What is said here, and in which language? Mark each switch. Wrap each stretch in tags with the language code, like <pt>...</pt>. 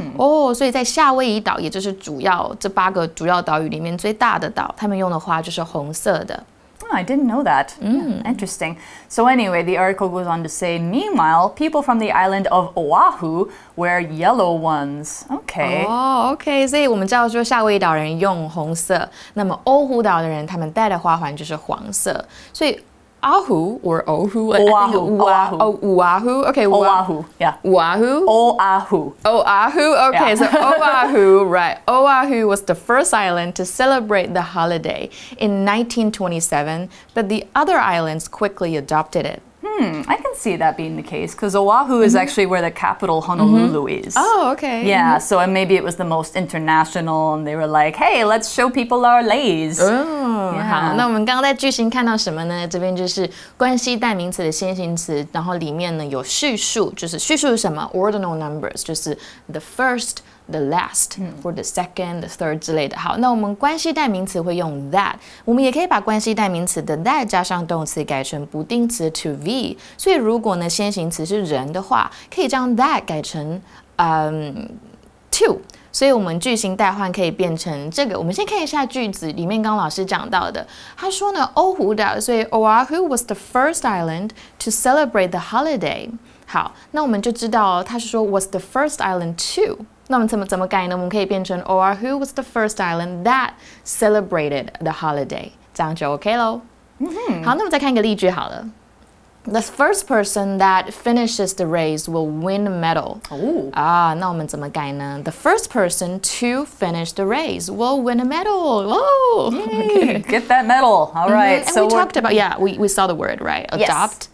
<en>Oh, so in the</en> <zh>夏威夷岛，也就是主要这八个主要岛屿里面最大的岛，他们用的花就是红色的。</zh> <en>Oh, I didn't know that. Yeah, interesting. So anyway, the article goes on to say, meanwhile, people from the island of Oahu wear yellow ones. Okay. Oh, okay.</en> <zh>所以我们知道说夏威夷岛人用红色，那么欧胡岛的人他们戴的花环就是黄色。所以</zh> <en>Oahu or Oahu? Oahu. Okay. Oahu. Yeah. Oahu. Oahu. Oahu. Okay. Yeah. So Oahu, right. Oahu was the first island to celebrate the holiday in 1927, but the other islands quickly adopted it. I can see that being the case, because Oahu is actually where the capital Honolulu is. Oh, okay. Yeah, so maybe it was the most international, and they were like, hey, let's show people our leis. Oh, yeah.</en> <zh>好，那我们刚刚在句型看到什么呢？这边就是关系代名词的先行词，然后里面呢有序数，就是序数是什么 ？</zh> <en>Ordinal numbers,</en> <zh>就是</zh> <en>the first,the last, or the second, the third</en> <zh>之类的。好，那我们关系代名词会用 that。我们也可以把关系代名词的 that 加上动词改成不定词 to be。所以如果呢先行词是人的话，可以将 that 改成to。所以我们句型代换可以变成这个。我们先看一下句子里面刚老师讲到的，他说呢欧胡岛，所以</zh> <en>Oahu was the first island to celebrate the holiday。</en> <zh>好，那我们就知道他是说</zh> <en>was the first island to。</en> <zh>那我们怎么改呢？我们可以变成</zh> <en>Oahu was the first island that celebrated the holiday.</en> <zh>这样就 OK 咯。Mm-hmm. 好，那么再看一个例句好了。</zh> <en>The first person that finishes the race will win a medal. Oh.</en> <zh>啊，那我们怎么改呢？</zh> <en>The first person to finish the race will win a medal. Whoa! Okay. Get that medal. All right. Mm-hmm. And so we talked about, yeah, we saw the word, right? Adopt?</en>